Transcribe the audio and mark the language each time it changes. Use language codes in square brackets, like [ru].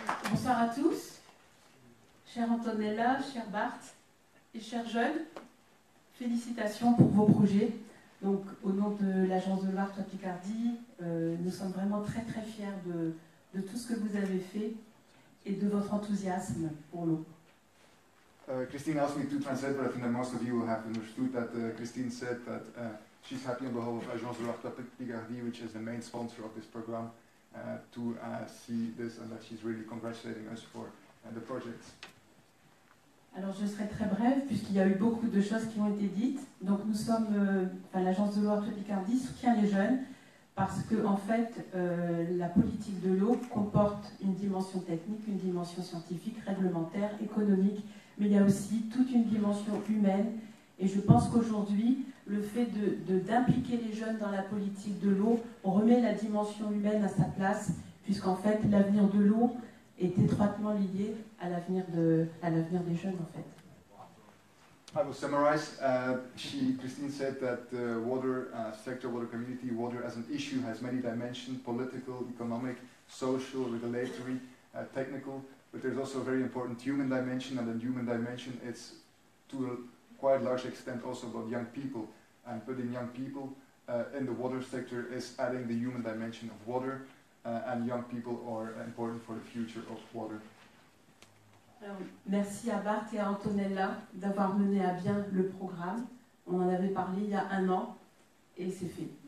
[fr] Bonsoir à tous, chère Antonella, chère Bart et chers jeunes, félicitations pour vos projets. Donc, au nom de l'Agence de l'Art à Picardie, nous sommes vraiment très très fiers de tout ce que vous avez fait et de votre enthousiasme pour l'eau. [en] Christine asked me to translate, but I think that most of you will have understood that Christine said that she's happy on behalf of Agence de l'Art à Picardie, which is the main sponsor of this program. To see this and that she's really congratulating us for the project. [fr] Alors je serai très brève puisqu'il y a eu beaucoup de choses qui ont été dites. Donc nous sommes, l'Agence de l'eau de Picardie soutient les jeunes parce que en fait la politique de l'eau comporte une dimension technique, une dimension scientifique, réglementaire, économique, mais il y a aussi toute une dimension humaine. Et je pense qu'aujourd'hui, le fait d'impliquer les jeunes dans la politique de l'eau remet la dimension humaine à sa place, puisqu'en fait, l'avenir de l'eau est étroitement lié à l'avenir des jeunes, en fait. [en] I will summarize. Christine said that the water sector, water community, water as an issue has many dimensions, political, economic, social, regulatory, technical, but there's also a very important human dimension, and the human dimension is to quite a large extent also about young people, and putting young people in the water sector is adding the human dimension of water, and young people are important for the future of water. [fr] Alors, merci à Bart et à Antonella d'avoir mené à bien le programme. On en avait parlé il y a un an et c'est fait.